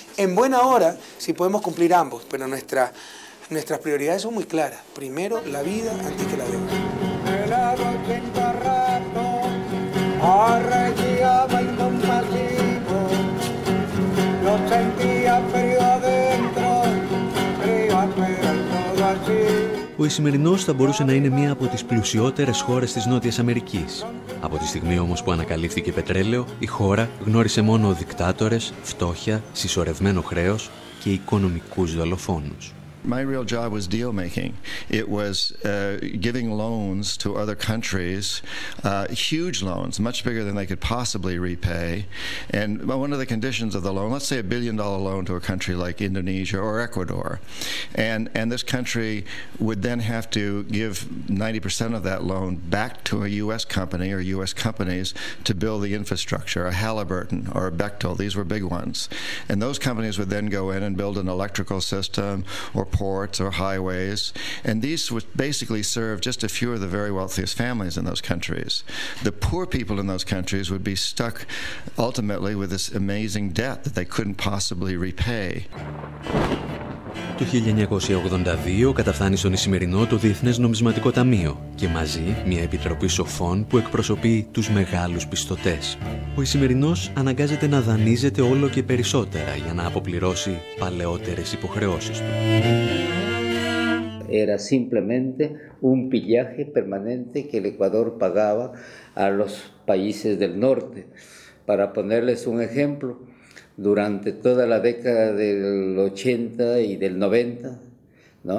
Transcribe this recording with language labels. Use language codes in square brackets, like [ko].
[es] En buena hora, si podemos cumplir ambos, pero nuestras prioridades son muy claras. Primero la vida antes que la deuda. Arrechiaba el compasivo, lo sentía frío adentro, frío afuera y todo así. [el] Ο Ισημερινός θα μπορούσε να είναι μία από τις πλουσιότερες χώρες της Νότιας Αμερικής. Από τη στιγμή όμως που ανακαλύφθηκε πετρέλαιο, η χώρα γνώρισε μόνο δικτάτορες, φτώχεια, συσσωρευμένο χρέος και οικονομικούς δολοφόνους. [en] My real job was deal making. It was giving loans to other countries, huge loans, much bigger than they could possibly repay. And one of the conditions of the loan, let's say $1 billion loan to a country like Indonesia or Ecuador, and this country would then have to give 90% of that loan back to a U.S. company or U.S. companies to build the infrastructure, a Halliburton or a Bechtel. These were big ones, and those companies would then go in and build an electrical system or ports or highways, and these would basically serve just a few of the very wealthiest families in those countries. The poor people in those countries would be stuck ultimately with this amazing debt that they couldn't possibly repay. [el] Το 1982 καταφθάνει στον Ισημερινό το Διεθνές Νομισματικό Ταμείο και μαζί μια επιτροπή σοφών που εκπροσωπεί τους μεγάλους πιστωτές. Ο Ισημερινός αναγκάζεται να δανείζεται όλο και περισσότερα για να αποπληρώσει παλαιότερες υποχρεώσεις του. [es] Era simplemente un pillaje permanente que el Ecuador pagaba a los países del norte. Para ponerles un ejemplo, durante toda la década del 80 y del 90, ¿no?